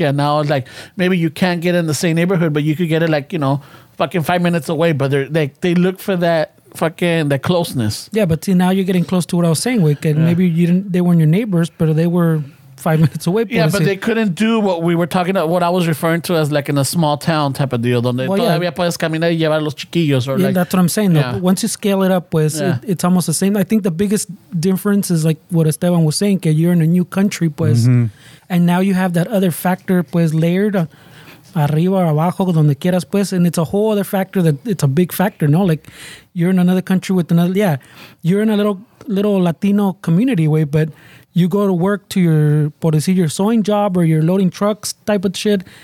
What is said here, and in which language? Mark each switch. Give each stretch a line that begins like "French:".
English: Yeah, now it's like maybe you can't get in the same neighborhood, but you could get it like, you know, fucking 5 minutes away. But they look for that fucking that closeness. Yeah, but see, now you're getting close to what I was saying, Wick, and yeah, maybe you didn't. They weren't your neighbors, but they were 5 minutes away. Yeah, but they couldn't do what we were talking about, what I was referring to as like in a small town type of deal.
Spanish: Donde well, todavía yeah, puedes caminar y llevar los chiquillos.
English: Or yeah, like, that's what I'm saying. Yeah. Once you scale it up,
Spanish: pues,
English: yeah, it's almost the same. I think the biggest difference is like what Esteban was saying,
Spanish: que
English: you're in a new country, pues, mm-hmm, and now you have that other factor, pues, layered
Spanish: arriba
English: or
Spanish: abajo, donde quieras, pues,
English: and it's a whole other factor that it's a big factor, no? Like, you're in another country with another, yeah, you're in a little Latino community way, but you go to work to your,
Spanish: por decir,
English: your sewing job or your loading trucks type of shit.